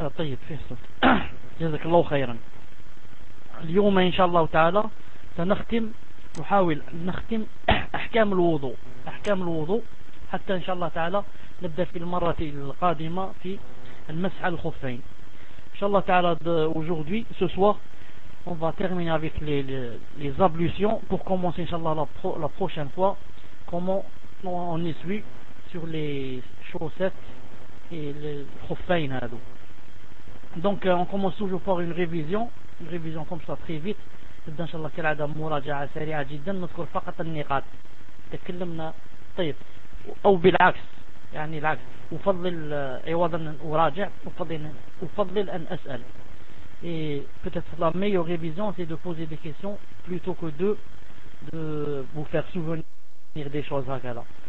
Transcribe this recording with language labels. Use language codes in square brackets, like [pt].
[ar] طيب فيه صوت، جزاك الله خيرا. اليوم إن شاء الله تعالى سنختم، نحاول نختم أحكام الوضوء، أحكام الوضوء، حتى إن شاء الله تعالى نبدأ في المرة القادمة في المسح على الخفين إن شاء الله تعالى. [fr] aujourd'hui ce soir on va terminer avec les ablutions pour commencer [ar] إن شاء الله [fr] la prochaine fois comment on essuie sur les chaussettes et les [ar] خفين هذا. [fr] Donc on commence toujours par une révision comme ça très vite. [ar] نبدأ إن شاء الله كالعادة مراجعة سريعة جدا، نذكر فقط النقاط تكلمنا. طيب أو بالعكس، يعني العكس، أفضل عوضا أن أراجع أفضل أن أسأل. [fr] Peut-être la meilleure révision c'est de poser des questions plutôt que de vous faire souvenir des choses [ar] هكذا.